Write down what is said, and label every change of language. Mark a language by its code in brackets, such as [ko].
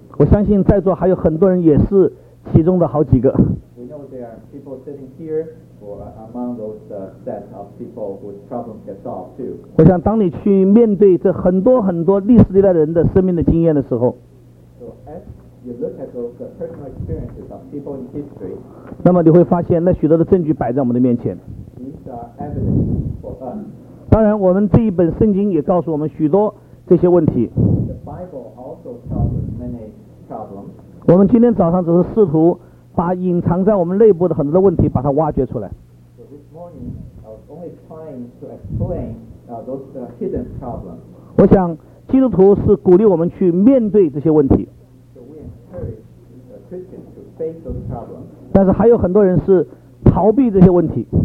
[zh] 我相信在座还有很多人也是其中的好几个。 [en] We know there are people sitting here or among those set of people whose problems get solved too. [zh] 我想当你去面对这很多很多历史历代人的生命的经验的时候。 [en] So as you look at those personal experiences of people in history. [zh] 那么你会发现那许多的证据摆在我们的面前。 [en] These are evidence for us. [zh] 当然我们这一本圣经也告诉我们许多这些问题。 [en] The Bible also tells us many problems. [zh] 我们今天早上只是试图把隐藏在我们内部的很多的问题把它挖掘出来。 [en] So this morning, I was only trying to explain, those hidden problems. [zh] 我想基督徒是鼓励我们去面对这些问题。 [en] So we encourage Christians to face those problems. [zh] 但是还有很多人是逃避这些问题。